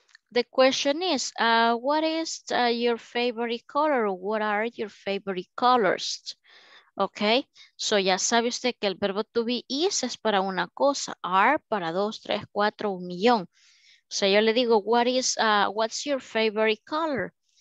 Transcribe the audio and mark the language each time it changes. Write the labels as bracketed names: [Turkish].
[English] The question is, what is your favorite color? What are your favorite colors? [Spanish] Okay, so ya sabe usted que el verbo to be is es para una cosa, are para dos, tres, cuatro, un millón. [English] So [Spanish] yo le digo, [English] what is, what's your favorite color?